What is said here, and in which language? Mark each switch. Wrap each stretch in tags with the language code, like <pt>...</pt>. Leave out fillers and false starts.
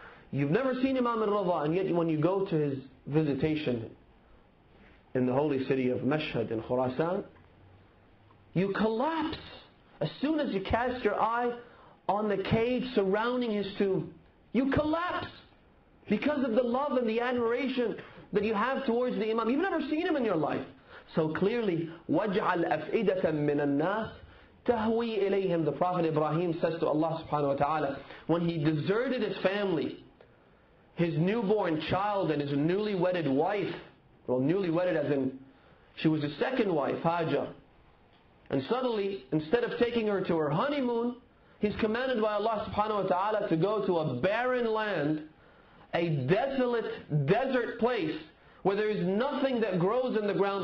<en>You've never seen Imam al-Rida, and yet when you go to his visitation in the holy city of Mashhad in Khurasan, you collapse as soon as you cast your eye on the cage surrounding his tomb. You collapse because of the love and the admiration that you have towards the Imam. You've never seen him in your life. So clearly,</en> <ar>وَاجْعَلْ أَفْئِدَةً مِّنَ النَّاسِ تَهْوِي إِلَيْهِمْ.</ar> <en>The Prophet Ibrahim says to Allah subhanahu wa ta'ala, when he deserted his family, his newborn child and his newly wedded wife, well, newly wedded as in, she was his second wife, Hajar. And suddenly, instead of taking her to her honeymoon, he's commanded by Allah subhanahu wa ta'ala to go to a barren land, a desolate desert place, where there is nothing that grows in the ground.</en>